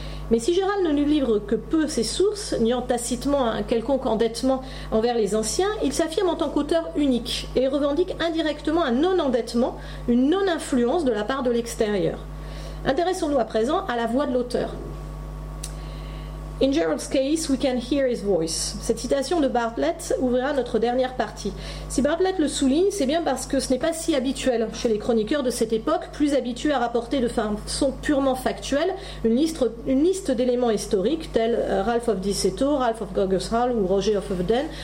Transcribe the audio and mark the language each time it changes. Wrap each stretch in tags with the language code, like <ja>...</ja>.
<fr>Mais si Gérald ne nous livre que peu ses sources, niant tacitement un quelconque endettement envers les anciens, il s'affirme en tant qu'auteur unique et revendique indirectement un non-endettement, une non-influence de la part de l'extérieur. Intéressons-nous à présent à la voix de l'auteur.</fr> <en>In Gerald's case, we can hear his voice.</en> <fr>Cette citation de Bartlett ouvrira notre dernière partie. Si Bartlett le souligne, c'est bien parce que ce n'est pas si habituel chez les chroniqueurs de cette époque, plus habitués à rapporter de façon purement factuelle une liste d'éléments historiques tels Ralph of Diceto, Ralph of Gogershall ou Roger of Evden.</fr>